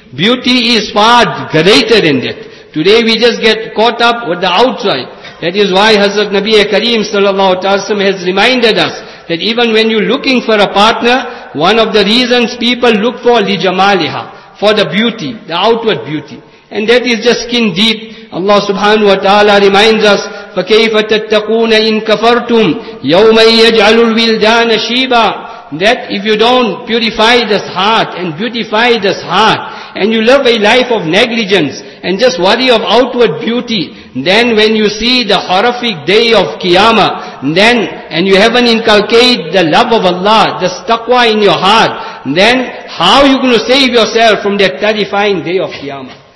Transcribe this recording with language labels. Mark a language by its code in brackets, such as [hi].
[en] Beauty is far greater than that. Today we just get caught up with the outside. That is why Hazrat Nabi Kareem sallallahu alaihi wasallam has reminded us that even when you're looking for a partner, one of the reasons people look for li jamaliha, for the beauty, the outward beauty. And that is just skin deep. [ar] Allah subhanahu wa ta'ala [en] reminds us, [ar] فَكَيْفَ تَتَّقُونَ إِن كَفَرْتُمْ يَوْمَ يَجْعَلُ الْوِلْدَانَ شِيبًا. [en] That if you don't purify this heart and beautify this heart, and you live a life of negligence and just worry of outward beauty, then when you see the horrific day of Qiyamah, then, and you haven't inculcated the love of Allah, the taqwa in your heart, then how are you going to save yourself from that terrifying day of Qiyamah?